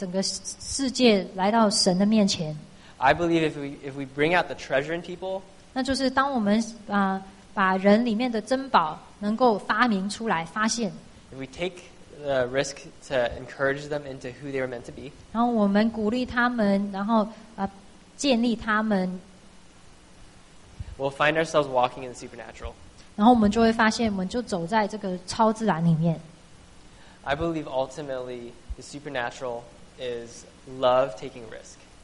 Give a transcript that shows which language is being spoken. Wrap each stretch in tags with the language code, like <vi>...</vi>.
<zh>哦，讲错了。我相信要建立神的教会，要带领整个世界来到神的面前。</zh> <en>I believe if we bring out the treasure in people.</en> <zh>那就是当我们把人里面的珍宝能够发明出来，发现。</zh> <en>If we take the risk to encourage them into who they were meant to be.</en> <zh>然后我们鼓励他们，然后建立他们。</zh> <en>We'll find ourselves walking in the supernatural.</en> <zh>然后我们就会发现，我们就走在这个超自然里面。</zh> <en>I believe ultimately the supernatural is love taking risk.</en>